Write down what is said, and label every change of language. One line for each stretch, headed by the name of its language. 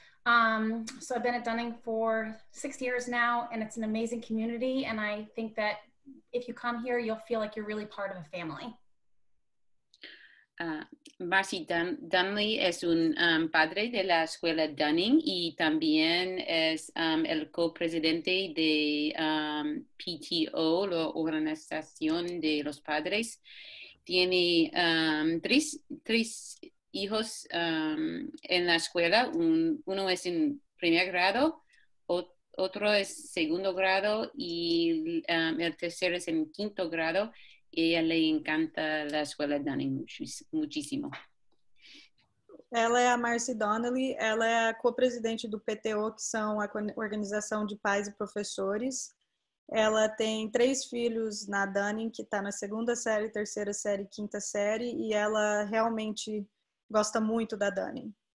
English: So I've been at Dunning for 6 years now, and it's an amazing community. And I think that if you come here, you'll feel like you're really part of a family.
Spanish: Marcy Donnelly es un padre de la escuela Dunning y también es el co-presidente de PTO, la organización de los padres. Tiene tres hijos en la escuela. Uno es en primer grado, otro es segundo grado y el tercero es en quinto grado. Ella le encanta la escuela Dunning muchísimo.
Portuguese: Ela é a Marcy Donnelly, ela é a co-presidente do PTO, que são a organização de pais e professores. Ela tem 3 filhos na Dunning, que está na segunda série, terceira série, quinta série, e ela realmente gosta muito da Dunning.